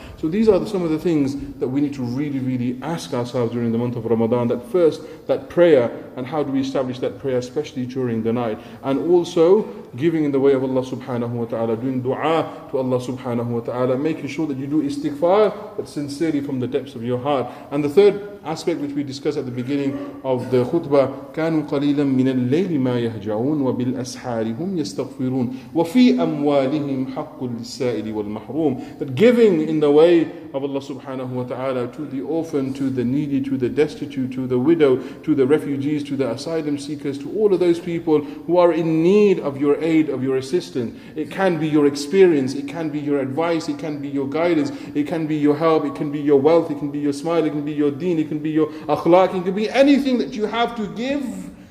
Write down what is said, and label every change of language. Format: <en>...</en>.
<en>So these are some of the things that we need to really, really ask ourselves during the month of Ramadan. That first, that prayer, and how do we establish that prayer, especially during the night. And also, giving in the way of Allah subhanahu wa ta'ala, doing dua to Allah subhanahu wa ta'ala, making sure that you do istighfar, but sincerely from the depths of your heart. And the third aspect which we discussed at the beginning of the khutbah,</en> <ar>كانوا قليلا من الليل ما يهجعون وبالأسحار هم يستغفرون وفي أموالهم حق للسائل والمحروم.</ar> <en>That giving in the way of Allah subhanahu wa ta'ala to the orphan, to the needy, to the destitute, to the widow, to the refugees, to the asylum seekers, to all of those people who are in need of your aid, of your assistance. It can be your experience, it can be your advice, it can be your guidance, it can be your help, it can be your wealth, it can be your smile, it can be your deen, it can be your akhlaq, it can be anything that you have to give.</en>